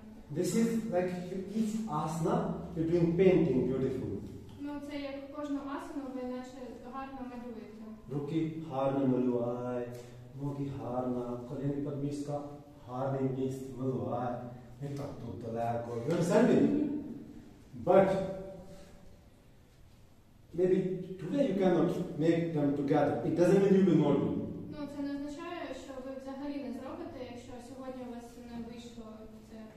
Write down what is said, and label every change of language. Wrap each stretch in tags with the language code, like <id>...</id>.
<en>This is like you eat asana, you're doing painting beautiful. No,</en> <uk>це як кожну асану, ви наче гарно малюєте. Руки гарно малюває, ноги гарно, коліни під міська, гарний міст малюває. Не так тут далеко.</uk> <en>You understand me? But maybe today you cannot make them together. It doesn't mean you will not do.</en> <uk>Ну, це не означає, що ви взагалі не зробите, якщо сьогодні у вас не вийшло зробити.</uk>